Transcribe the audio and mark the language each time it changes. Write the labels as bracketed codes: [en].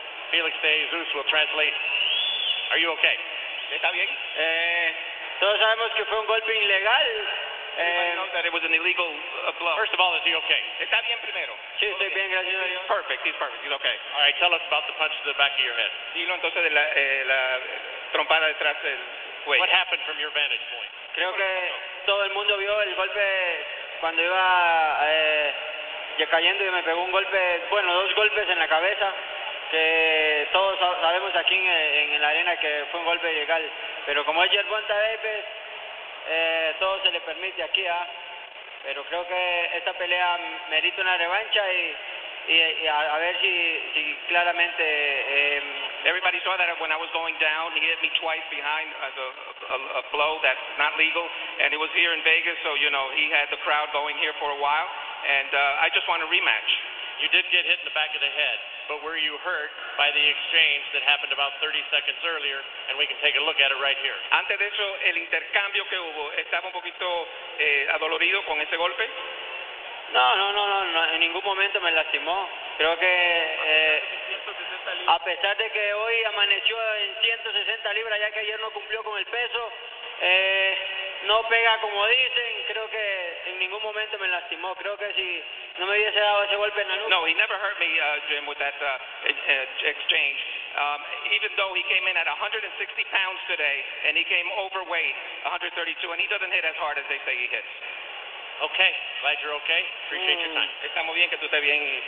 [en] Felix de Jesus will translate. Are you okay? [es] ¿Está bien? Todos sabemos que fue un golpe ilegal. [en] That it was an illegal blow. First of all, is he okay? [es] ¿Está bien primero? Sí, estoy bien, gracias a Dios. [en] Perfect, he's perfect, he's okay. All right, tell us about the punch to the back of your head. [es] Dilo entonces de la trompada detrás del cuello. [en] What happened from your vantage point? [es] Creo que todo el mundo vio el golpe cuando iba cayendo y me pegó un golpe, bueno, dos golpes en la cabeza. Que todos sabemos aquí en la arena que fue un golpe ilegal, pero como es Yerbonta Davis, todo se le permite aquí, ¿eh? Pero creo que esta pelea merita una revancha y a ver si claramente... [en] Everybody saw that when I was going down, he hit me twice behind as a blow that's not legal, and it was here in Vegas, so, you know, he had the crowd going here for a while, and I just want a rematch. You did get hit in the back of the head. But were you hurt by the exchange that happened about 30 seconds earlier? And we can take a look at it right here. [es] Antes de eso, el intercambio que hubo, ¿estaba un poquito adolorido con ese golpe? No, en ningún momento me lastimó. Creo que a pesar de que hoy amaneció en 160 libras, ya que ayer no cumplió con el peso, no pega como dicen, creo que en ningún momento me lastimó. Creo que si no me hubiese dado ese golpe en la nuca. [en] No, he never hurt me, Jim, with that exchange. Even though he came in at 160 pounds today, and he came overweight, 132, and he doesn't hit as hard as they say he hits. Okay, glad you're okay. Appreciate your time. [es] Estamos bien, que tú estés bien.